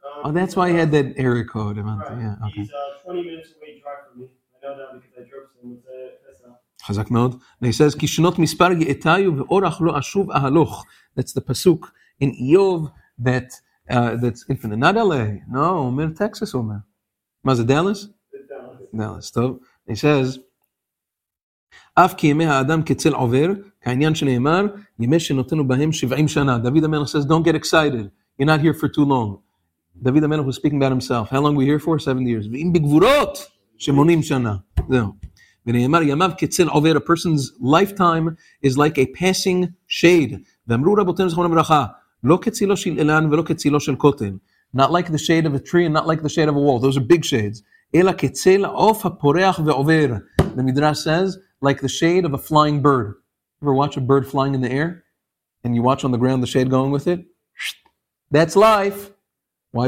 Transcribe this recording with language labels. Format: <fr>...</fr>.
<en>Oh, that's why he had that area code. Yeah, okay. He's 20 minutes away drive from me. I know that because I drove some of the...</en> <he>חזק מאוד.</he> <en>He says,</en> <he>כי שנות מספר יאתיו ואורך לא אשוב אהלוך.</he> <en>That's the pasuk in Eov that's infinite. Not LA. No,</en> <he>אומר Texas, אומר. מה זה, Dallas? Dallas, טוב.</he> <en>He says,</en> <he>אף כי ימי האדם כצל עובר, כעניין שנאמר, ימי שנותנו בהם 70 שנה.</he> <en>דוד המלך says, don't get excited. You're not here for too long. דוד המלך was speaking about himself. How long are we here for? 70 years.</en> <he>ואם בגבורות שמונים שנה. זהו. ונאמר ימיו כצל עובר,</he> <en>a person's lifetime is like a passing shade.</en> <he>ואמרו רבותינו זכרונם לברכה, לא כצילו של אילן ולא כצילו של כותן.</he> <en>Not like the shade of a tree and not like the shade of a wall. Those are big shades.</en> <he>אלא כצל עוף הפורח ועובר.</he> <en>The Midrash says, like the shade of a flying bird. Ever watch a bird flying in the air? And you watch on the ground the shade going with it? That's life. Why?</en>